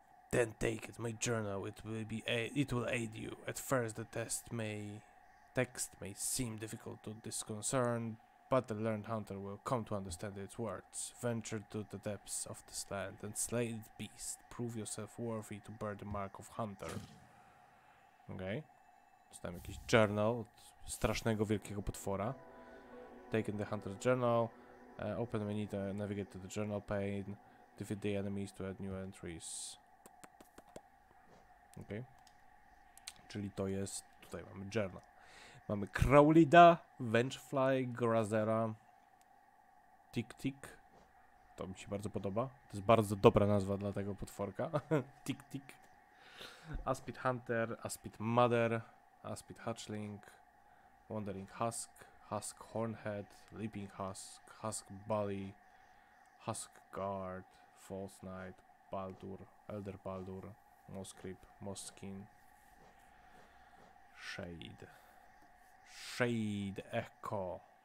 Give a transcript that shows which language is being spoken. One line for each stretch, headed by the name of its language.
English: Then take it, my journal, it will aid you. At first the text may seem difficult to disconcern, but the learned hunter will come to understand its words. Venture to the depths of this land and slay the beast. Prove yourself worthy to bear the mark of hunter.
Polish: Okej. Dostałem jakiś journal od strasznego wielkiego potwora.
English: Take in the hunter's journal, open menu to navigate to the journal pane, defeat the enemies to add new entries. Okay.
Polish: Czyli to jest, tutaj mamy journal. Mamy Crowlida, Vengefly, Grazera, Tick-Tick. To mi się bardzo podoba. To jest bardzo dobra nazwa dla tego potworka. Tick-Tick. Aspid Hunter, Aspid Mother, Aspid Hatchling, Wandering Husk, Husk Hornhead, Leaping Husk, Husk Bully, Husk Guard, False Knight, Baldur, Elder Baldur, Moskrip, Moskin, Shade Echo.